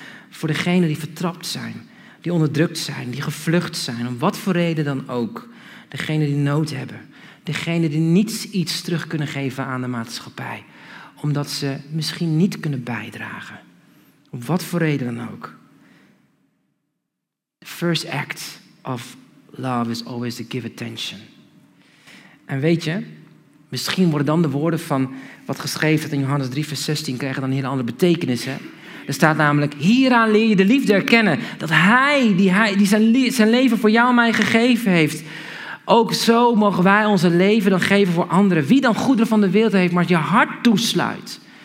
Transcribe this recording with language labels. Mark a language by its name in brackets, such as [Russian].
[Dutch] voor degene die vertrapt zijn, die onderdrukt zijn, die gevlucht zijn, om wat voor reden dan ook, degene die nood hebben, degene die niets iets terug kunnen geven aan de maatschappij, omdat ze misschien niet kunnen bijdragen, Om wat voor reden dan ook. [English] The first act of love is always to give attention. [Dutch] En weet je, misschien worden dan de woorden van wat geschreven staat in Johannes 3 vers 16 krijgen dan een hele andere betekenis. Hè? Er staat namelijk, hieraan leer je de liefde erkennen. Dat hij die zijn leven voor jou en mij gegeven heeft. Ook zo mogen wij onze leven dan geven voor anderen. Wie dan goederen van de wereld heeft, maar je hart toesluit.